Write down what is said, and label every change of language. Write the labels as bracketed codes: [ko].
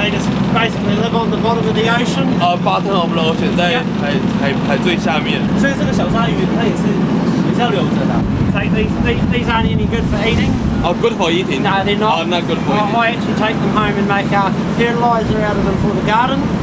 [en] They just basically live on the bottom of the ocean. Bottom of the ocean [zh] 在海最下面。所以这个小鲨鱼它也是比较留着的。 [en] These aren't any good for eating. Oh, good for eating? No, they're not. Oh, not good for eating. I actually take them home and make a fertilizer out of them for the garden.